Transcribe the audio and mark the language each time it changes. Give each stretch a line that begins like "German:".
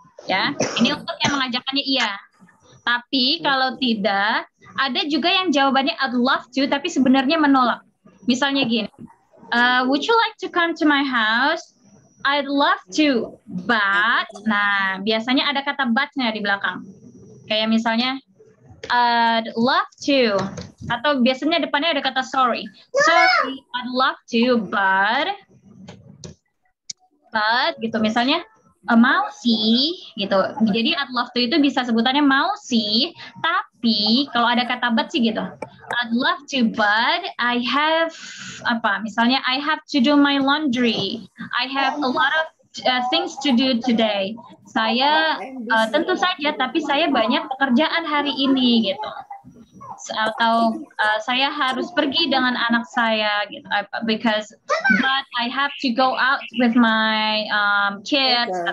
Indonesian: Ya, ini untuk yang mengajakannya iya. Tapi kalau tidak, ada juga yang jawabannya
English: I'd love to,
Indonesian: tapi sebenarnya menolak.
English: Misalnya gini, would you like to come to my house? I'd love to, but,
Indonesian: nah, biasanya ada kata but-nya di belakang. Kayak misalnya,
English: I'd love to,
Indonesian: atau biasanya depannya ada kata sorry.
English: Sorry, I'd love to, but
Indonesian: gitu misalnya, mau sih gitu. Jadi
English: I'd love to
Indonesian: itu bisa sebutannya mau sih, tapi kalau ada kata but sih gitu.
English: I'd love to, but I have apa?
Indonesian: Misalnya
English: I have to do my laundry. I have a lot of things to do today.
Indonesian: Saya tentu saja, tapi saya banyak pekerjaan hari ini gitu. Atau saya harus pergi dengan anak saya gitu.
English: But I have to go out with my kids, okay.